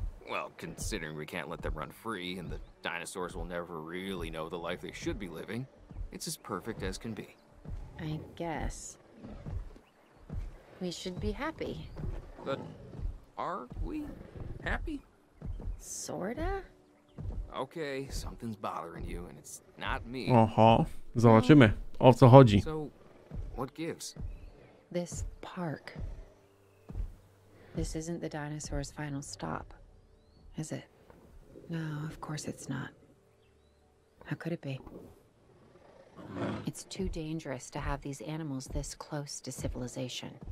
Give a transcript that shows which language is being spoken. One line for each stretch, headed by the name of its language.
English: Well, considering we can't let them run free and the dinosaurs will never really know the life they should be living, it's as perfect as can be. I guess we should be happy. But are we happy? Sorta? Okay, something's bothering you and it's not me.
Polish: Oho, zobaczymy, o co chodzi.
English: So, what gives? This park. This isn't the dinosaurs' final stop. Is it? No, of course it's not. How could it be? It's too dangerous to have these animals this close to civilization.